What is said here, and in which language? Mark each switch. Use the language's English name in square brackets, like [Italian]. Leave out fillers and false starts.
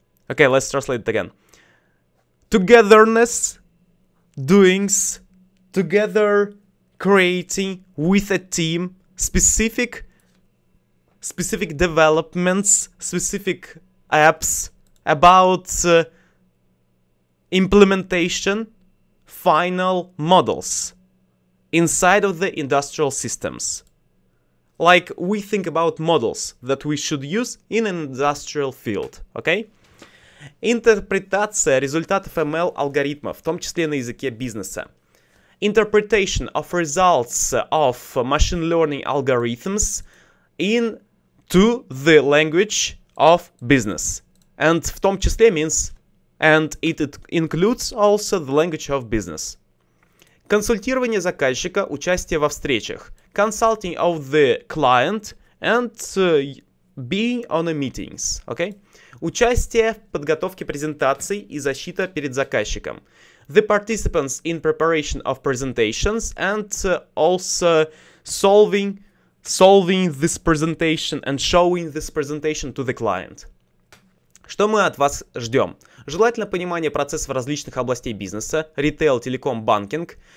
[English] Okay, let's translate it again. Togetherness, doings, together, creating with a team, specific developments, specific apps about implementation, final models inside of the industrial systems. Like, we think about models that we should use in an industrial field, okay? [Russian] Интерпретация результатов ML-алгоритмов, в том числе на языке бизнеса. [English] Interpretation of results of machine learning algorithms into the language of business. And [Russian] в том числе [English] means, and it includes also the language of business. [Russian] Консультирование заказчика, участие во встречах. [English] Consulting of the client and being on the meetings, okay? [Russian] Участие в подготовке презентаций и защита перед заказчиком. [English] The participants in preparation of presentations and also solving this presentation and showing this presentation to the client. [Russian] Что мы от вас ждем? Желательно понимание процессов различных областей бизнеса, retail, telecom, banking.